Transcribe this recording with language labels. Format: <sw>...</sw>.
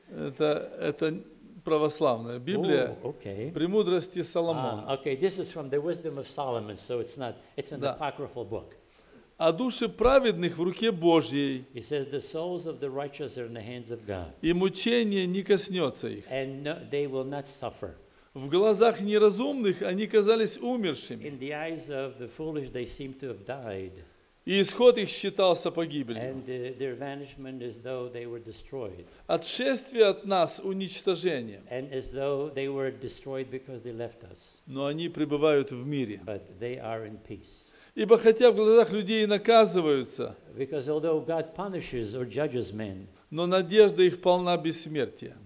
<ru>Это православная Библия.</ru> <en>Ooh, okay.</en> <ru>Премудрости Соломона.</ru> <en>Ah, okay, this is from the Wisdom of Solomon, so it's not it's an apocryphal book.</en> <ru>А души праведных в руке Божьей.</ru> <en>He says the souls of the righteous are in the hands of God.</en> <ru>И мучение не коснется их.</ru> <en>And no, they will not suffer.</en> <ru>В глазах неразумных они казались умершими.</ru> <en>In the eyes of the foolish, they seem to have died.</en> <ru>И исход их считался погибелью.</ru> <en>And their vanishment as though they were destroyed.</en> <ru>Отшествие от нас – уничтожение.</ru> <en>And as though they were destroyed because they left us.</en> <ru>Но они пребывают в мире.</ru> <en>But they are in peace.</en> <ru>Ибо хотя в глазах людей и наказываются,</ru> <en>because although God punishes or judges men,</en> <ru>но надежда их полна бессмертия.</ru>